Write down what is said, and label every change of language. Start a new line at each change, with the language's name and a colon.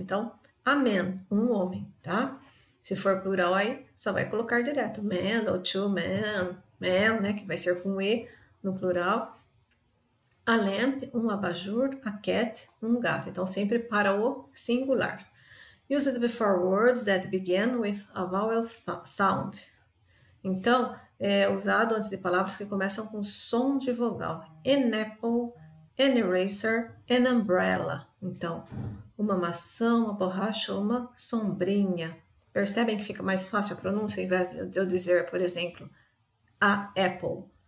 Portuguese: Então,
English: a man,
Portuguese: um homem, tá? Se for plural, aí só vai colocar direto man ou
English: two man,
Portuguese: né? Que vai ser com E no plural. A lamp, um abajur, a cat, um gato. Então, sempre para o singular.
English: Use the before words that begin with a vowel sound.
Portuguese: Então, é usado antes de palavras que começam com som de vogal.
English: An apple, an eraser, an umbrella.
Portuguese: Então, uma maçã, uma borracha, uma sombrinha. Percebem que fica mais fácil a pronúncia ao invés de eu dizer, por exemplo,
English: a apple.